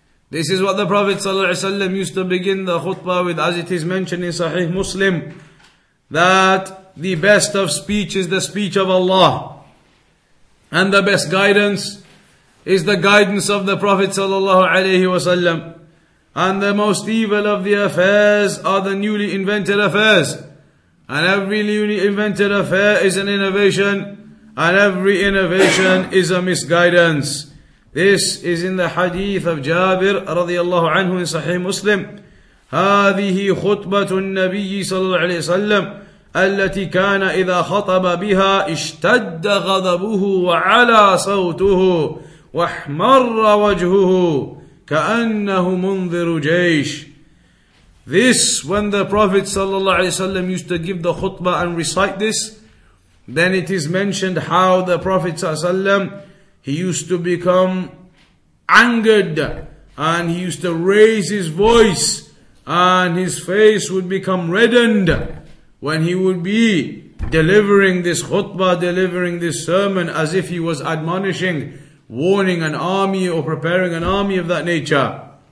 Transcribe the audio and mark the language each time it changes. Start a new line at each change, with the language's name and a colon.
English: This is what the Prophet ﷺ used to begin the khutbah with, as it is mentioned in Sahih Muslim, that the best of speech is the speech of Allah, and the best guidance is the guidance of the Prophet ﷺ, and the most evil of the affairs are the newly invented affairs, and every newly invented affair is an innovation, and every innovation is a misguidance. This is in the hadith of Jabir radiallahu anhu in Sahih Muslim.
Arabic: هذه خطبة النبي صلى الله عليه وسلم التي كان إذا خطب بها اشتد غضبه وعلى صوته واحمر وجهه كأنه منذر جيش.
English: This, when the Prophet صلى الله عليه وسلم used to give the khutbah and recite this, then it is mentioned how the Prophet صلى الله عليه وسلم, he used to become angered and he used to raise his voice and his face would become reddened when he would be delivering this khutbah, delivering this sermon, as if he was admonishing, warning an army or preparing an army of that nature.